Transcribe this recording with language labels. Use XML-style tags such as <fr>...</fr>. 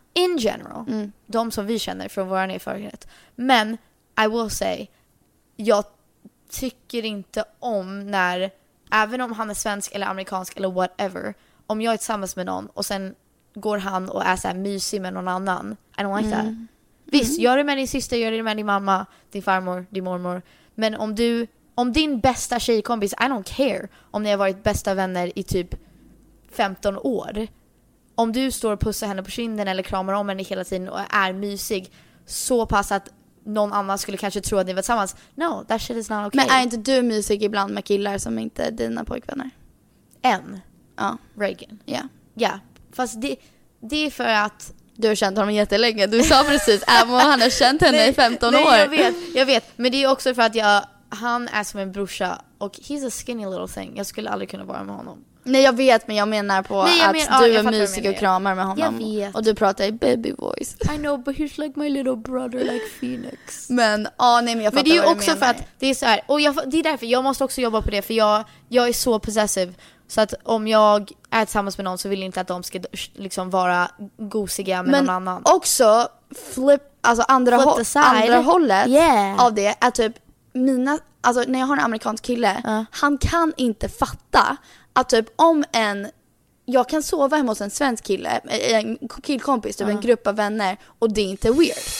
<en>In general,</en> <sv>de som vi känner från vår erfarenhet. Men,</sv> <en>I will say,</en> <sv>jag tycker inte om när, även om han är svensk eller amerikansk eller whatever, om jag är tillsammans med någon och sen går han och är så här mysig med någon annan.</sv> <en>I don't like that.</en> <sv>Visst, gör det med din syster, gör det med din mamma, din farmor, din mormor. Men om du, om din bästa tjejkompis,</sv> <en>I don't care</en> <sv>om ni har varit bästa vänner i typ 15 år. Om du står och pussar henne på kinden eller kramar om henne hela tiden och är mysig så pass att någon annan skulle kanske tro att ni var tillsammans.</sv> <en>No, that shit is not okay.</en> <sv>Men är inte du mysig ibland med killar som inte är dina pojkvänner? En. Ja. Reagan. Ja. Ja. Fast det är för att du har känt honom jättelänge. Du sa precis, även om han har känt henne i 15 år. Jag vet. Men det är också för att han är som en brorsa. Och</sv> <en>he's a skinny little thing.</en> <sv>Jag skulle aldrig kunna vara med honom. Nej, jag vet, men jag menar på är mysig och kramar med honom. Jag vet. Och du pratar i baby voice.</sv> <en>I know, but he's like my little brother, like Phoenix.</en> <sv>Men jag fattar. Men det är ju också för att det är så här. Och det är därför, jag måste också jobba på det. För jag är så possessive. Så att om jag är tillsammans med någon så vill jag inte att de ska liksom vara gosiga med någon annan. Men också andra hållet av det är typ när jag har en amerikansk kille, han kan inte fatta att typ jag kan sova hemma hos en svensk kille, en killkompis, typ en grupp av vänner, och det är inte weird.</sv>